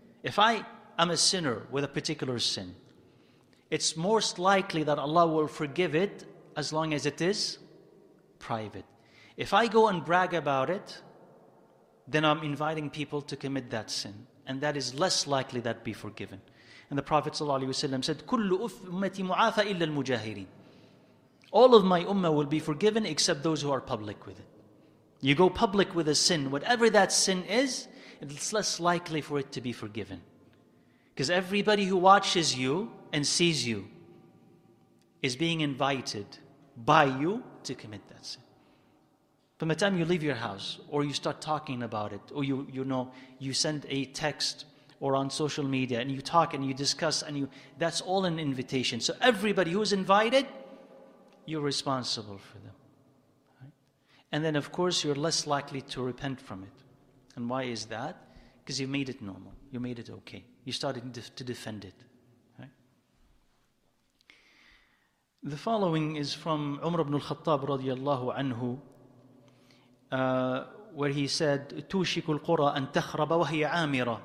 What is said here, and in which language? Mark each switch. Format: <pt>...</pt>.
<en>If I am a sinner with a particular sin, it's most likely that Allah will forgive it as long as it is private. If I go and brag about it, then I'm inviting people to commit that sin. And that is less likely that be forgiven. And the Prophet ﷺ said,</en> <ar>كُلُّ أُمَّتِي مُعَافَ إِلَّا الْمُجَاهِرِينَ.</ar> <en>All of my ummah will be forgiven except those who are public with it. You go public with a sin, whatever that sin is, it's less likely for it to be forgiven. Because everybody who watches you and sees you is being invited by you to commit that sin. From the time you leave your house, or you start talking about it, or you send a text, or on social media, and you talk and you discuss, and that's all an invitation. So everybody who's invited, you're responsible for them. And then, of course, you're less likely to repent from it. And why is that? Because you made it normal. You made it okay. You started to defend it. The following is from Umar ibn al-Khattab radiallahu anhu. Where he said,</en> <ar>تُوشِكُ الْقُرَىٰ أَن تَخْرَبَ وَهِيَ عَامِرَىٰ.</ar>